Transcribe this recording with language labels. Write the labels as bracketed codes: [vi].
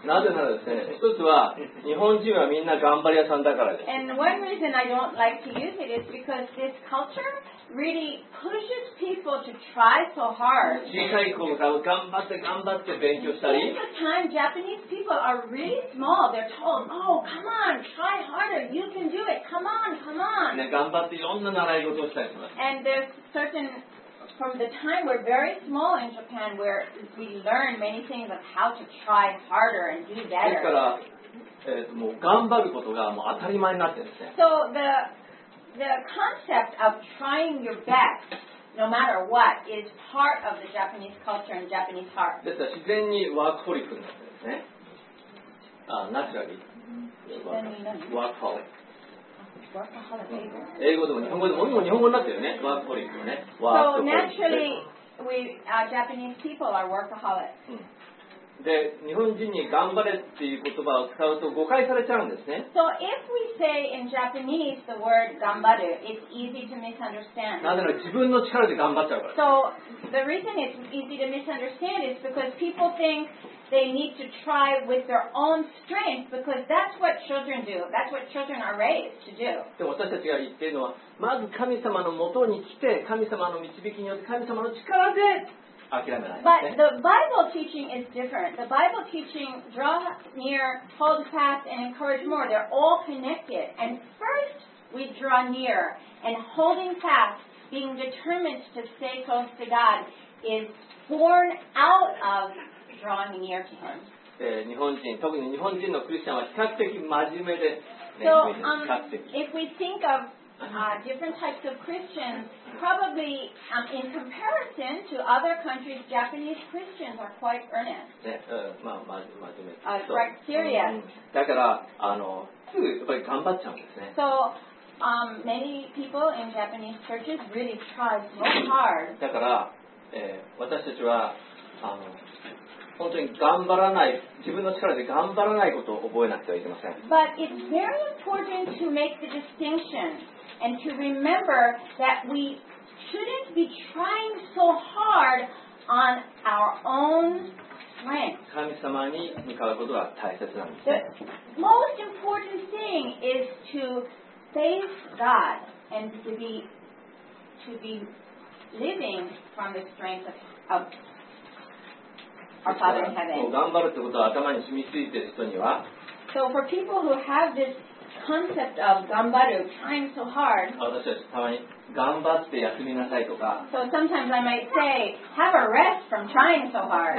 [ja] なぜならですね、一つは日本人はみんな頑張り屋さんだからです。 [en] And one reason I don't like to use it is because this culture really pushes people to try so hard. [ja] 小さい頃から頑張って頑張って勉強したり。 [en] Most of the time, Japanese people are really small. They're told, oh, come on, try harder. You can do it. Come on, come on. [ja] ね、頑張っていろんな習い事をしたりします。 [en] And there's certain... From the time we're very small in Japan, where we learn many things of how to try harder and do better. [ja] ですから、もう頑張ることがもう当たり前になってるんですね。 [en] So the concept of trying your best, no matter what, is part of the Japanese culture and Japanese heart. [ja] ですから自然にワークホリックになってるんですね。 [en] あ、ナチュラリー。 [ja] ワークホリック。英語でも日本語でも、もう日本語になってるよね。ワークホリックね。 [en] So naturally, we Japanese people are workaholics. [ja] で、日本人に頑張れっていう言葉を使うと誤解されちゃうんですね。 [en] So if we say in Japanese the word 頑張る, it's easy to misunderstand. [ja] なぜなら自分の力で頑張っちゃうから。 [en] So the reason it's easy to misunderstand is because people think. They need to try with their own strength because that's what children do. That's what children are raised to do. [ja] で、私たちが言っているのは、まず神様のもとに来て、神様の導きによって、神様の力で諦めない。 [en] But the Bible teaching is different. The Bible teaching, draw near, hold fast, and encourage more. They're all connected. And first, we draw near. And holding fast, being determined to stay close to God, is born out of... [ja] 日本人、特に日本人のクリスチャンは比較的真面目で、 [en] So, if we think of different types of Christians, probably in comparison to other countries, Japanese Christians are quite earnest. Quite serious. [ja] だから、すぐやっぱり頑張っちゃうんですね。 [en] So,many people in Japanese churches really try so hard. [ja] だから、私たちは、本当に頑張らない、自分の力で頑張らないことを覚えなくてはいけません。 [en] But it's very important to make the distinction and to remember that we shouldn't be trying so hard on our own strength. [ja] 神様に向かうことが大切なんです。 [en] The most important thing is to face God and to be living from the strength of God. Our Father in Heaven. So for people who have this concept of ganbaru, trying so hard, so sometimes I might say, have a rest from trying so hard.